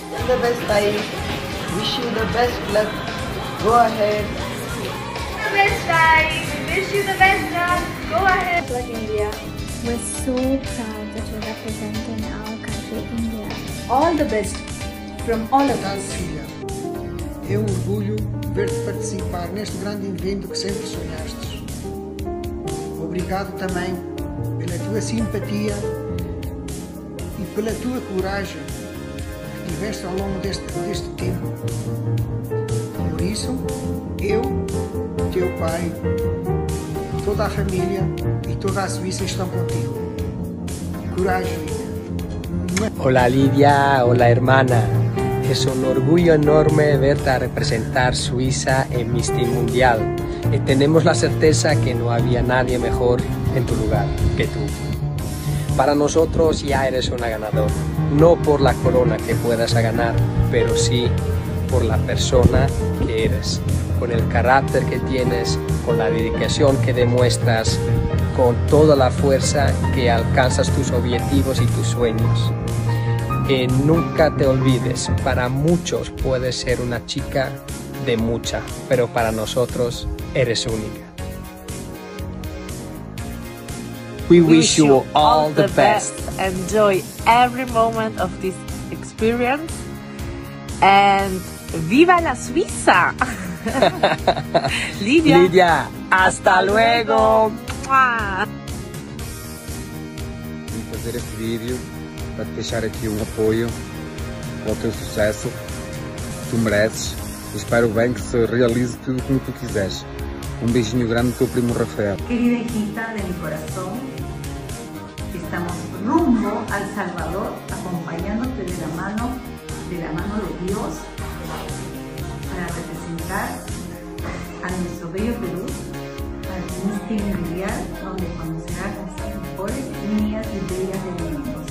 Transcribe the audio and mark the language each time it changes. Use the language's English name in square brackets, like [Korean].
[English] All the best, Shreya. Wish you the best luck. Go ahead. The best, guys. We wish you the best, guys. Go ahead. Like India. We're so proud that you're representing our country, India. All the best from all of us. [Portuguese] É um orgulho ver-te participar neste grande evento que sempre sonhaste. Obrigado também pela tua simpatia e pela tua coragem que tiveste ao longo deste tempo. Por isso, eu, teu pai, toda a família e toda a Suíça estão contigo. Coragem, Lídia. Olá, Lídia. Olá, hermana. É um orgulho enorme ver-te a representar Suíça em Miss Teen Mundial. E temos a certeza que não havia ninguém melhor em tu lugar que tu. Para nós, já [Spanish] eres [Portuguese] uma ganadora. Não por [Spanish] a corona que puedas ganhar, mas sim por la persona que eres, con el carácter que tienes, con la dedicación que demuestras, con toda la fuerza que alcanzas tus objetivos y tus sueños. Que nunca te olvides, para muchos puedes ser una chica de mucha, pero para nosotros eres única. [English] We wish you all the best. Enjoy every moment of this experience and [Spanish] ¡viva la Suiza! [English] Lidia. [Spanish] Lidia, hasta luego. [Portuguese] Vim fazer este vídeo para te deixar aqui um apoio para o teu sucesso. Tu mereces. Espero bem que se realize tudo como tu quiseres. Um beijinho grande do teu primo Rafael. [Spanish] Querida hijita de mi corazón, estamos rumbo al Salvador, acompañándote de la mano de Dios, para representar a nuestro bello Perú, al Miss Teen Mundial, donde conocerás a las mejores niñas y bellas del mundo.